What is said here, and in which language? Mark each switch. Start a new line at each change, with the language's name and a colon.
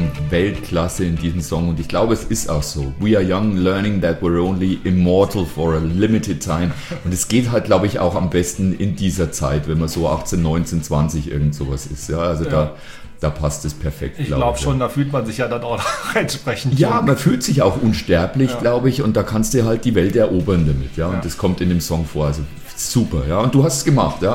German: Weltklasse in diesem Song und ich glaube, es ist auch so.
English: We are young, learning that we're only immortal for a limited time.
German: Und es geht halt, glaube ich, auch am besten in dieser Zeit, wenn man so 18, 19, 20 irgend sowas ist. Ja, also ja. Da passt es perfekt, glaube ich. Glaub schon, da fühlt man sich ja dann auch noch entsprechend. Ja, jung. Man fühlt sich auch unsterblich, ja. Glaube ich, und da kannst du halt die Welt erobern damit. Ja, und ja. Das kommt in dem Song vor. Also super, ja. Und du hast es gemacht, ja.